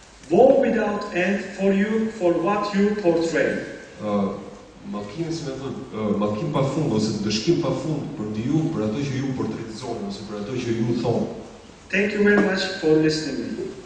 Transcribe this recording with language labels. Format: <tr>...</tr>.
<en>War without end for you, for what you portray.</en> <sq>Mallkimi, si me thënë, mallkim pa fund, ose dëshkim pa fund për ndi ju, për ato që ju portretizoni, ose për ato që ju thonë.</sq> <en>Thank you very much for listening.</en>